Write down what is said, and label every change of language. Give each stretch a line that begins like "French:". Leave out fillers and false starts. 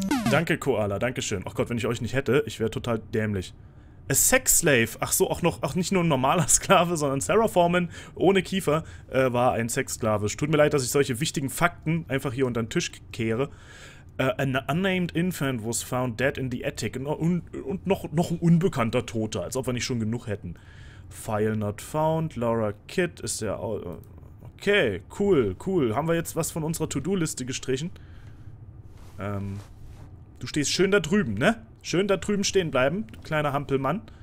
German: Danke, Koala, danke schön. Ach Gott, wenn ich euch nicht hätte, ich wäre total dämlich.
English: A Sex Slave,
German: ach so, auch noch, auch nicht nur ein normaler Sklave, sondern Sarah Foreman ohne Kiefer war ein Sexsklave. Tut mir leid, dass ich solche wichtigen Fakten einfach hier unter den Tisch kehre.
English: An unnamed infant was found dead in the attic.
German: Und noch ein unbekannter Toter, als ob wir nicht schon genug hätten.
English: File not found,
German: Laura Kitt ist ja. Okay, cool, cool. Haben wir jetzt was von unserer To-Do-Liste gestrichen? Du stehst schön da drüben, ne? Schön da drüben stehen bleiben, kleiner Hampelmann.